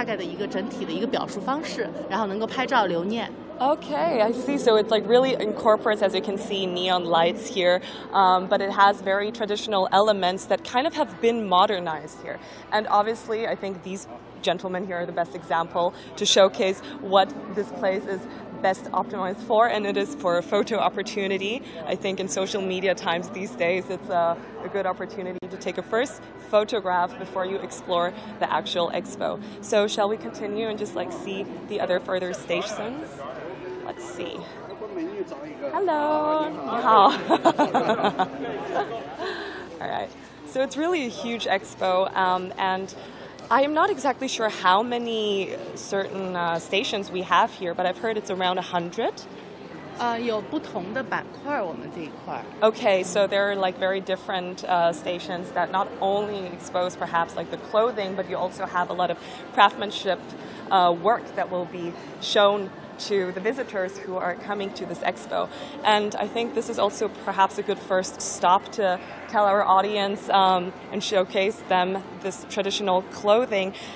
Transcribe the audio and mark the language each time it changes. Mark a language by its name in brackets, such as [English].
[Chinese] 这个是个主入口的一个打卡地，是希望来第一次汉服博览会的观众们对我们整个主题性有一个认知。然后呢，我们是一个比较古风前卫的一个方式。然后呢，希望大家来第一次汉服博览会的游客或者是这个参与者，能够对我们传统文化和现代往前走的一个汉服的产业，它大概的一个整体的一个表述方式，然后能够拍照留念。 [English] Okay, I see. So it's like really incorporates, as you can see, neon lights here, but it has very traditional elements that kind of have been modernized here. And obviously, I think these gentlemen here are the best example to showcase what this place is best optimized for, and it is for a photo opportunity. I think in social media times these days, it's a good opportunity to take a first photograph before you explore the actual expo. So shall we continue and just like see the other further stations? Let's see. Hello. Hello. All right. So it's really a huge expo, and I am not exactly sure how many certain stations we have here, but I've heard it's around 100. [Chinese] 有不同的板块，我们这一块。 [English] Okay, so there are like very different stations that not only expose perhaps like the clothing, but you also have a lot of craftsmanship work that will be shown to the visitors who are coming to this expo. And I think this is also perhaps a good first stop to tell our audience and showcase them this traditional clothing.